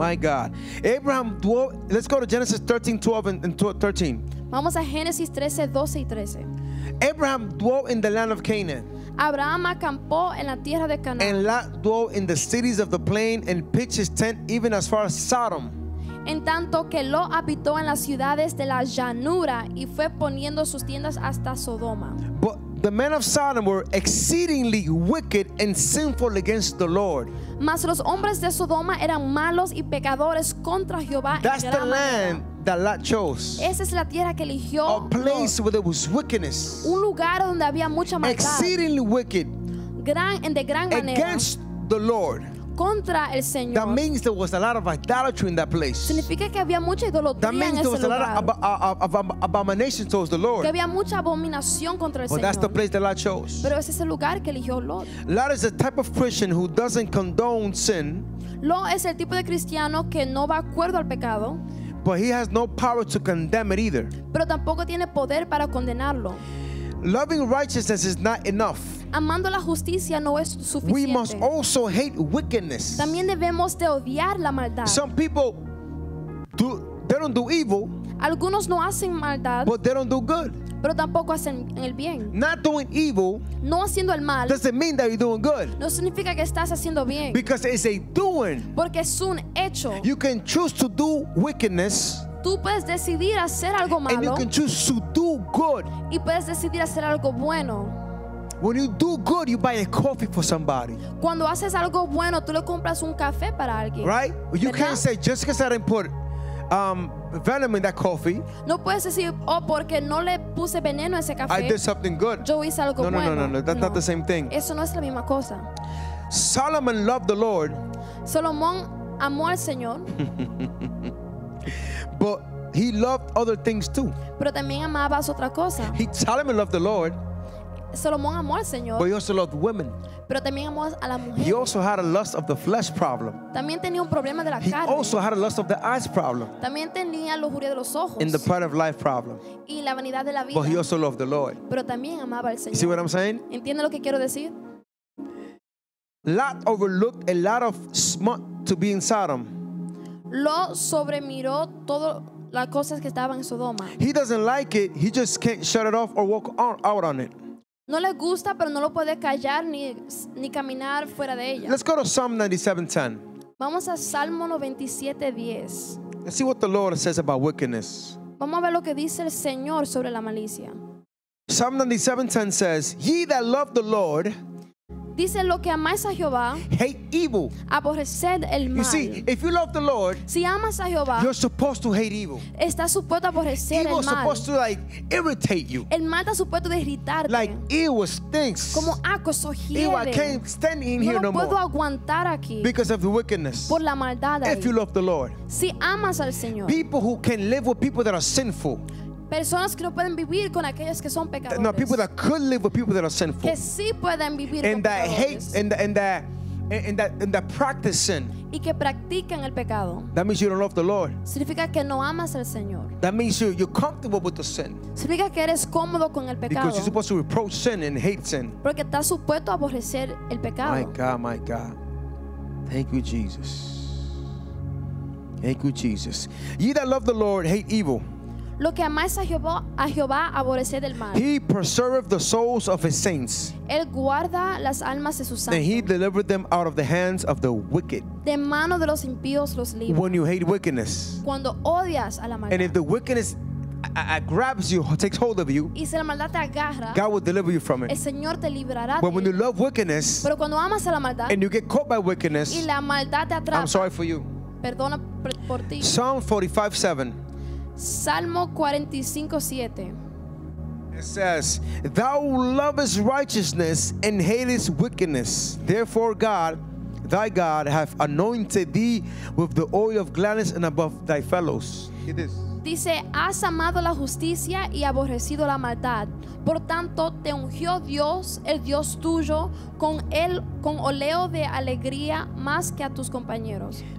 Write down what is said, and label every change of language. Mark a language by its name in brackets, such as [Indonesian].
[English] My God. Abraham dwelt. Let's go to Genesis 13, 12 and 13. [Spanish] Vamos a Génesis 13, 12 y 13. [English] Abraham dwelt in the land of Canaan. [Spanish] Abraham acampó en la tierra de Canaán. [English] And Lot dwelt in the cities of the plain and pitched his tent even as far as Sodom. [Spanish] En tanto que Lot habitó en las ciudades de la llanura y fue poniendo sus tiendas hasta Sodoma. [English] But the men of Sodom were exceedingly wicked and sinful against the Lord. [Spanish] Mas los hombres de Sodoma eran malos y pecadores contra Jehová. [English] That's the land that Lot chose. [Spanish] Esa es la tierra que eligió. [English] A place where there was wickedness. [Spanish] Un lugar donde había mucha maldad. [English] Exceedingly wicked. [Spanish] Gran en de gran manera. [English] Against the Lord. [Spanish] Contra el Señor. [English] That means there was a lot of idolatry in that place. [Spanish] Significa que había mucha idolatría. [English] That means there was a lot of abomination towards the Lord. [Spanish] Que había mucha abominación contra el Señor. [English] But that's the place that Lot chose. [Spanish] Pero ese es el lugar que eligió Lot. [English] Lot is the type of Christian who doesn't condone sin. [Spanish] Lot es el tipo de cristiano que no va acuerdo al pecado. [English] But he has no power to condemn it either. [Spanish] Pero tampoco tiene poder para condenarlo. [English] Loving righteousness is not enough. [Spanish] Amando la justicia no es suficiente. [English] We must also hate wickedness. [Spanish] También debemos de odiar la maldad. [English] Some people do, they don't do evil. [Spanish] Algunos no hacen maldad. [English] But they don't do good. [Spanish] Pero tampoco hacen el bien. [English] Not doing evil. [Spanish] No haciendo el mal. [English] Doesn't mean that you're doing good. [Spanish] No significa que estás haciendo bien. [English] Because it's a doing. [Spanish] Porque es un hecho. [English] You can choose to do wickedness. [Spanish] Tú puedes decidir hacer algo malo. [English] And you can choose to do good. [Spanish] Y puedes decidir hacer algo bueno. [English] When you do good, you buy a coffee for somebody. [Spanish] Cuando haces algo bueno, tú le compras un café para alguien. [English] Right? You can't say just because I didn't put venom in that coffee. [Spanish] No puedes decir, oh, porque no le puse veneno a ese café. [English] I did something good. [Spanish] Yo hice algo bueno. [English] No. That's not the same thing. [Spanish] Eso no es la misma cosa. [English] Solomon loved the Lord. [Spanish] Solomón amó al Señor. [English] But he loved other things too. [Spanish] Pero también amaba otra cosa. [English] Solomon loved the Lord. [Spanish] Solomón amó al Señor. [English] But he also loved women. [Spanish] Pero también amó a la mujer. [English] He also had a lust of the flesh problem. [Spanish] También tenía un problema de la [English] he [Spanish] carne. [English] He also had a lust of the eyes problem. [Spanish] También tenía lujuria de los ojos. [English] In the pride of life problem. [Spanish] Y la vanidad de la vida. [English] But he also loved the Lord. [Spanish] Pero también amaba al Señor. [English] You see what I'm saying? [Spanish] ¿Entiende lo que quiero decir? [English] Lot overlooked a lot of smut to be in Sodom. [Spanish] Lot sobremiró todo las cosas que estaban en Sodoma. [English] He doesn't like it. He just can't shut it off or walk on, out on it. [Spanish] No le gusta, pero no lo puede callar ni caminar fuera de ella. [English] Let's go to Psalm 97:10. [Spanish] Vamos a Salmo 97:10. [English] Let's see what the Lord says about wickedness. [Spanish] Vamos a ver lo que dice el Señor sobre la malicia. [English] Psalm 97:10 says, "Ye that love the Lord." [Spanish] Dice lo que amáis a Jehová. [English] Hate evil. [Spanish] Aborreced el mal. [English] You see, if you love the Lord, [Spanish] si amas a Jehová, [English] you're supposed to hate evil. [Spanish] Estás supuesto a aborrecer [English] evil [Spanish] el mal. [English] Evil supposed to like irritate you. [Spanish] El mal está supuesto de irritarte. [English] Like evil stinks. [Spanish] Como acoso hiere. [English] Evil, I can't stand in [Spanish] no [English] here no [Spanish] puedo [English] more. [Spanish] Aguantar aquí. [English] Because of the wickedness. [Spanish] Por la maldad. [English] If you love the Lord, [Spanish] si amas al Señor, [English] people who can live with people that are sinful. [Spanish] Personas que no pueden vivir con aquellos que son pecadores. [English] No, people that could live with people that are sinful. [Spanish] Que sí pueden vivir [English] and that [Spanish] pecadores. [English] Hate and that practice sin. [Spanish] Y que practican el pecado. [English] That means you don't love the Lord. [Spanish] Significa que no amas al Señor. [English] That means you're comfortable with the sin. [Spanish] Significa que eres cómodo con el pecado. [English] Because you're supposed to reproach sin and hate sin. [Spanish] Porque estás supuesto a aborrecer el pecado. [English] My God. Thank you, Jesus. Thank you, Jesus. Ye that love the Lord hate evil. [Spanish] Lo que amáis a Jehová aborrece del mal. [English] He preserved the souls of his saints. [Spanish] Él guarda las almas de sus santos. [English] And he delivered them out of the hands of the wicked. [Spanish] De mano de los impíos los libra. [English] When you hate wickedness. [Spanish] Cuando odias a la maldad. [English] And if the wickedness grabs you, takes hold of you. [Spanish] Y si la maldad te agarra. [English] God will deliver you from it. [Spanish] El Señor te librará. [English] But when you love wickedness. [Spanish] Pero cuando amas a la maldad. [English] And you get caught by wickedness. [Spanish] Y la maldad te atrapa. [English] I'm sorry for you. [Spanish] Perdona por ti. [English] Psalm 45:7. [Spanish] Salmo 45:7. [English] It says, "Thou lovest righteousness and hatest wickedness. Therefore, God, thy God, hath anointed thee with the oil of gladness and above thy fellows." [Spanish] Dice, "Has amado la justicia y aborrecido la maldad. Por tanto, te ungió Dios, el Dios tuyo, con oleo de alegría más que a tus compañeros."